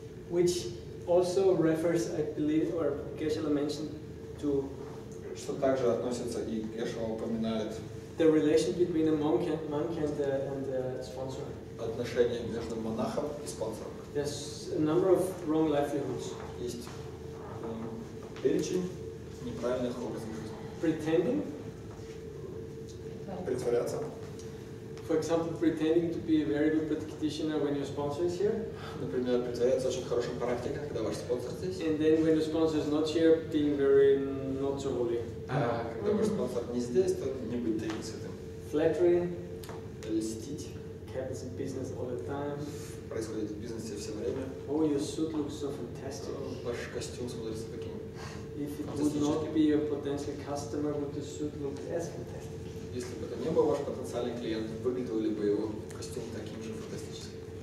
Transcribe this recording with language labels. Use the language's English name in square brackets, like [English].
[English] Which also refers, I believe, or Geshe-la mentioned, to [Russian] что также относится и Geshe-la упоминает [English] the relation between a monk and the sponsor. [Russian] Отношения между монахом и спонсором. [English] There's a number of wrong livelihoods. [Russian] Есть перечень неправильных образов жизни. [English] Pretending. [Russian] Притворяться. [English] For example, pretending to be a very good practitioner when your sponsor is here. [Russian] Например, притворяться очень хорошим практиком, когда ваш спонсор здесь. [English] And then when the sponsor is not here, being very not so holy. [Russian] Когда ваш спонсор не здесь, то не быть таким святым. [English] Flattery. [Russian] Льстить. [English] Happens in business all the time. [Russian] Происходит в бизнесе все время. [English] Oh, your suit looks so fantastic. [Russian] Ваш костюм смотрится таким. [English] If it would not be your potential customer, would the suit look as fantastic? [Russian] Если бы это не был ваш потенциальный клиент, выглядел ли бы его костюм таким же фантастическим?